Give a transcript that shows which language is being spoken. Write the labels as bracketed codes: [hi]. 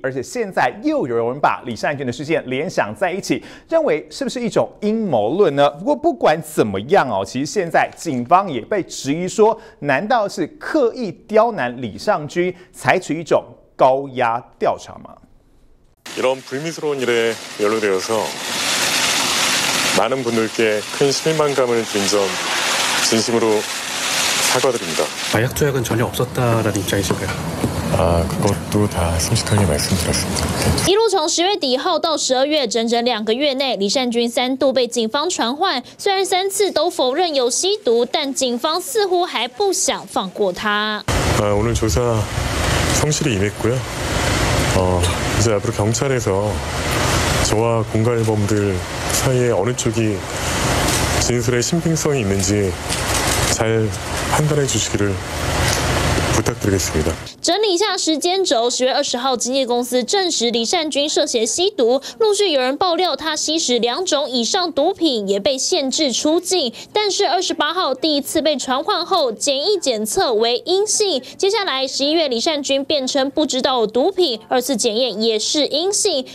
[zh] 而且现在又有人把李善均的事件联想在一起，认为是不是一种阴谋论呢？不过不管怎么样哦，其实现在警方也被质疑说，难道是刻意刁难李善均，采取一种高压调查吗？ [ko] 이런불미스러운일에연루되어서많은분들께큰실망감을준점진심으로사과드립니다 마약조약은전혀없었다라는입장이신가요 아그것도다솔직하게말씀드렸습니다 [zh] 一路从10月底号到12月，整整2个月内，李善均3度被警方传唤，虽然3次都否认有吸毒，但警方似乎还不想放过他。 [ko] 아오늘조사성실히임했고요이제앞으로경찰에서저와공갈범들사이에어느쪽이진술의신빙성이있는지잘판단해주시기를부탁드리겠습니다 [zh] 整理一下时间轴，10月20号，经纪公司证实李善均涉嫌吸毒，陆续有人爆料他吸食2种以上毒品，也被限制出境。但是28号第一次被传唤后，检疫检测为阴性。接下来11月，李善均辩称不知道有毒品，二次检验也是阴性。